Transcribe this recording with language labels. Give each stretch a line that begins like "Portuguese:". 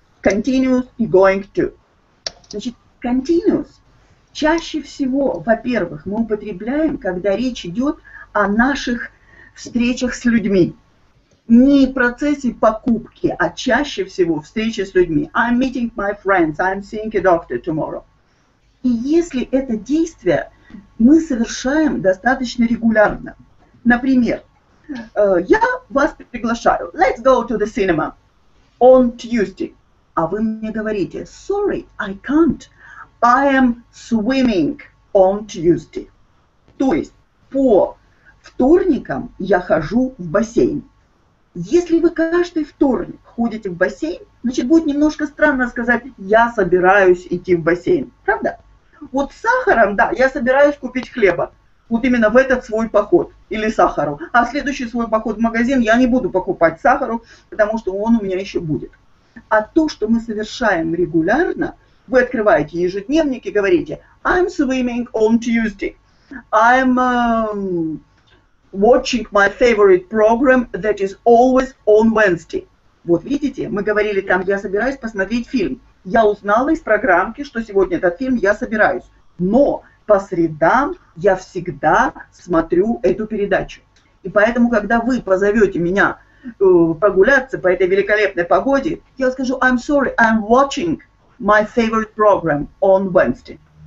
Russian: Continuous и going to. Значит, continuous. Чаще всего, во-первых, мы употребляем, когда речь идет о наших встречах с людьми. Не в процессе покупки, а чаще всего встречи с людьми.
English: I'm meeting my friends, I'm seeing a doctor tomorrow.
Russian: И если это действие мы совершаем достаточно регулярно. Например, я вас приглашаю.
English: Let's go to the cinema on Tuesday.
Russian: А вы мне говорите,
English: sorry, I can't. I am swimming on Tuesday.
Russian: То есть по вторникам я хожу в бассейн. Если вы каждый вторник ходите в бассейн, значит будет немножко странно сказать, я собираюсь идти в бассейн. Правда? Вот с сахаром, да, я собираюсь купить хлеба. Вот именно в этот свой поход. Или сахару. А следующий свой поход в магазин я не буду покупать сахару, потому что он у меня еще будет. А то, что мы совершаем регулярно, вы открываете ежедневник и говорите
English: I'm swimming on Tuesday. I'm watching my favorite program that is always on Wednesday.
Russian: Вот видите, мы говорили там, я собираюсь посмотреть фильм. Я узнала из программки, что сегодня этот фильм я собираюсь. Но по средам я всегда смотрю эту передачу. И поэтому, когда вы позовете меня прогуляться по этой великолепной погоде, я скажу,
English: I'm sorry, I'm watching my favorite program on Wednesday.